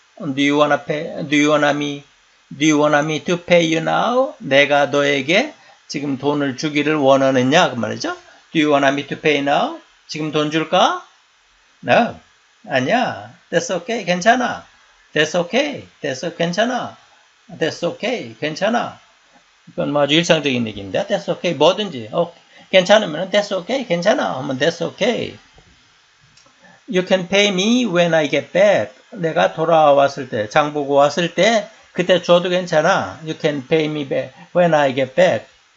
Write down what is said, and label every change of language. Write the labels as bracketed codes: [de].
[en] Do you wanna me to pay you now? [ko] 내가 너에게 지금 돈을 주기를 원하느냐? 그 말이죠. [en] Do you wanna me to pay now? [ko] 지금 돈 줄까? [en] No. [ko] 아니야. [en] That's okay. [ko] 괜찮아. [en] That's okay. That's okay. 괜찮아. That's okay. 괜찮아. [ko] 이건 아주 일상적인 얘기입니다. [en] That's okay. [ko] 뭐든지. [en] Okay. [ko] 괜찮으면 [en] that's okay. [ko] 괜찮아. 하면 [en] that's okay. You can pay me when I get back. [ko] 내가 돌아왔을 때, 장보고 왔을 때 그때 줘도 괜찮아. [en] You can pay me back when I get back.